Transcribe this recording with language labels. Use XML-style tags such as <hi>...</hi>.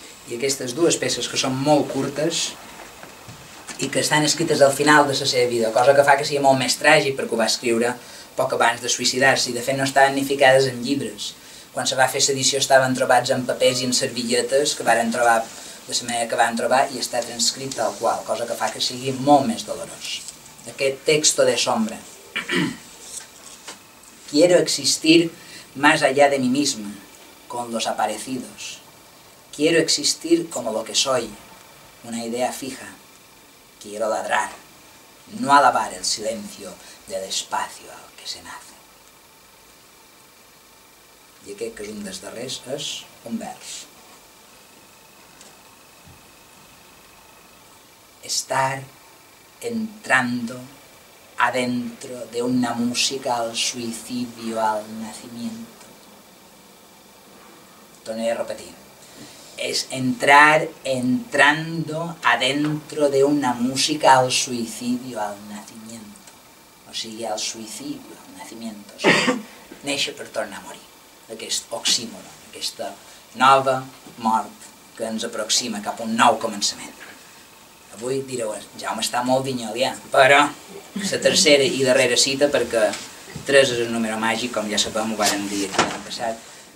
<ca>I aquestes dues peces, que són molt curtes i que estan escrites al final de la seva vida, cosa que fa que sigui molt més tràgic, perquè ho va escriure poc abans de suïcidar-se, i de fet no estaven ni ficades en llibres. Quan se va fer l'edició estaven trobats en papers i en servilletes que varen trobar de la manera que van trobar i està transcrit tal qual, cosa que fa que sigui molt més dolorós. Aquest</ca> <es>texto de sombra. Quiero existir más allá de mí misma, con los aparecidos. Quiero existir como lo que soy, una idea fija. Quiero ladrar, no alabar el silencio del espacio al que se nace.</es> <ca>I aquest, que és un dels darrers, és un vers.</ca> <es>Estar entrando adentro de una música al suicidio, al nacimiento.</es> <ca>Tornaré a repetir.</ca> <es>es entrar entrando adentro de una música al suicidio, al nacimiento.</es> <ca>O sigui,</ca> <es>al suicidio, al nacimiento.</es> <ca>O sigui, néixer per tornar a morir. Aquest oxímono, aquesta nova mort que ens aproxima cap a un nou començament. Avui direu, Jaume està molt vinyolià, però la tercera i darrera cita, perquè 3 és el número màgic, com ja sabem, ho vàrem dir aquí l'any passat.</ca>